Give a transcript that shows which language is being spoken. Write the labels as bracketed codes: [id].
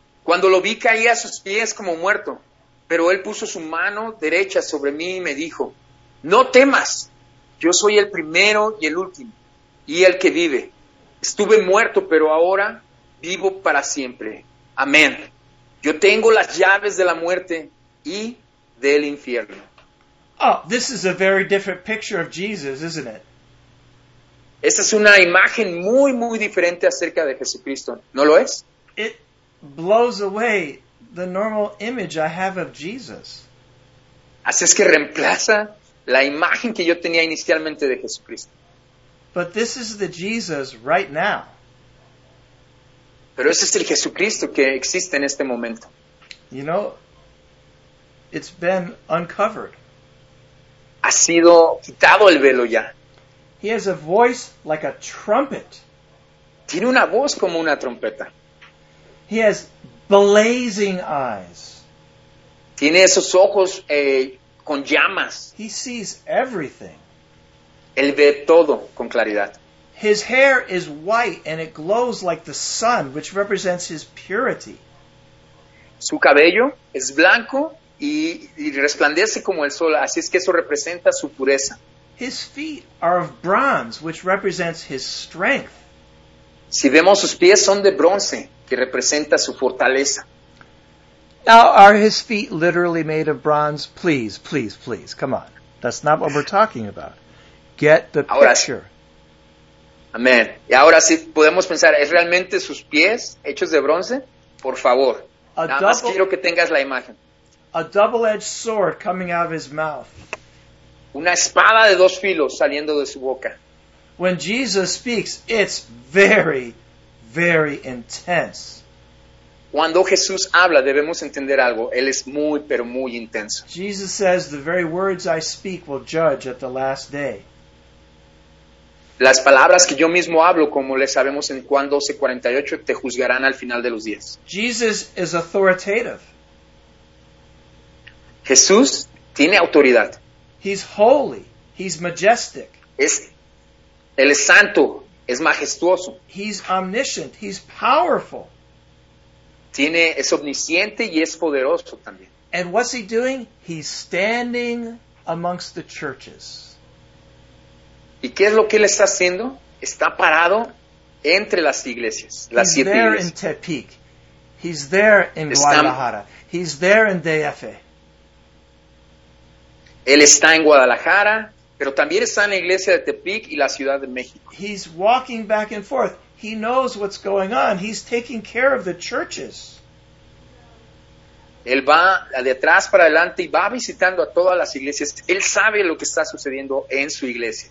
[es] Cuando lo vi caía a sus pies como muerto, pero él puso su mano derecha sobre mí y me dijo, no temas, yo soy el primero y el último y el que vive. Estuve muerto, pero ahora vivo para siempre. Amén. Yo tengo las llaves de la muerte y del infierno. [en] Oh, this is a very different picture of Jesus, isn't it? [es] Esta es una imagen muy, muy diferente acerca de Jesucristo. ¿No lo es? [en] It blows away the normal image I have of Jesus. [es] Así es que reemplaza la imagen que yo tenía inicialmente de Jesucristo. [en] But this is the Jesus right now. [es] Pero ese es el Jesucristo que existe en este momento. [en] You know, it's been uncovered. [es] Ha sido quitado el velo ya. [en] He has a voice like a trumpet. [es] Tiene una voz como una trompeta. [en] He has blazing eyes. [es] Tiene esos ojos con llamas. [en] He sees everything. [es] Él ve todo con claridad. [en] His hair is white and it glows like the sun, which represents his purity. [es] Su cabello es blanco y resplandece como el sol, así es que eso representa su pureza. [en] His feet are of bronze, which represents his strength. [es] Si vemos sus pies son de bronce, que representa su fortaleza. [en] Now, are his feet literally made of bronze? Please, please, please, come on. That's not what we're talking about. Get the picture. [es] Amén. Y ahora sí podemos pensar, ¿es realmente sus pies hechos de bronce? Por favor. Nada más quiero que tengas la imagen. [en] A double-edged sword coming out of his mouth. [es] Una espada de dos filos saliendo de su boca. [en] When Jesus speaks, it's very, very intense. [es] Cuando Jesús habla, debemos entender algo. Él es muy, pero muy intenso. [en] Jesus says, the very words I speak will judge at the last day. [es] Las palabras que yo mismo hablo, como le sabemos en Juan 12:48, te juzgarán al final de los días. [en] Jesus is authoritative. [es] Jesús tiene autoridad. [en] He's holy. He's majestic. [es] Él es santo. Es majestuoso. [en] He's omniscient. He's powerful. [es] Es omnisciente y es poderoso también. [en] And what's he doing? He's standing amongst the churches. [es] ¿Y qué es lo que él está haciendo? Está parado entre las iglesias, las 7 iglesias. [en] He's there in Tepic. He's there in Guadalajara. He's there in DF. [es] Él está en Guadalajara, pero también está en la iglesia de Tepic y la Ciudad de México. [en] He's walking back and forth. He knows what's going on. He's taking care of the churches. [es] Él va de atrás para adelante y va visitando a todas las iglesias. Él sabe lo que está sucediendo en su iglesia.